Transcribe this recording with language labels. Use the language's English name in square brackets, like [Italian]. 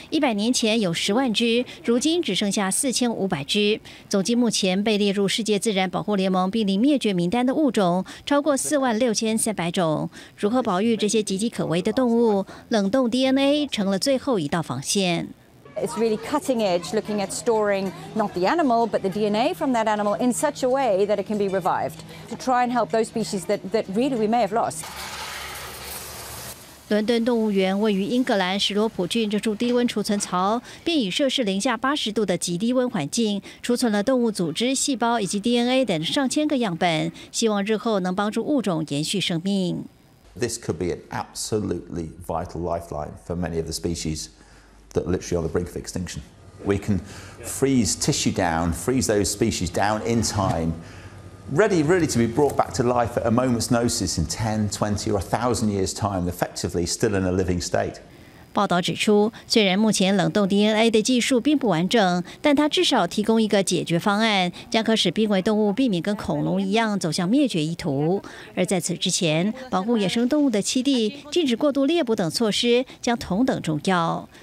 [Chinese] 100年前有10万只，如今只剩下4500只。总计目前被列入世界自然保护联盟濒临灭绝名单的物种超过46300种。如何保育这些岌岌可危的动物？冷冻 DNA 成了最后一道防线。 [English] It's really cutting edge looking at storing not the animal but the DNA from that animal in such a way that it can be revived to try and help those species that really we may have lost. [Chinese] 伦敦动物园位于英格兰史罗普郡这处低温储存槽，并以摄氏-80度的极低温环境储存了动物组织、细胞以及 DNA 等上千个样本，希望日后能帮助物种延续生命。 [English] This could be an absolutely vital lifeline for many of the species. That literally on the brink of extinction. We can freeze tissue down, freeze those species down in time, ready really to be brought back to life at a moment's notice in 10, 20, or 1,000 years' time, effectively still in a living state. [Chinese] 报道指出，虽然目前冷冻 DNA 的技术并不完整，但它至少提供一个解决方案，将可使濒危动物避免跟恐龙一样走向灭绝意图。而在此之前，保护野生动物的栖地、禁止过度猎捕等措施将同等重要。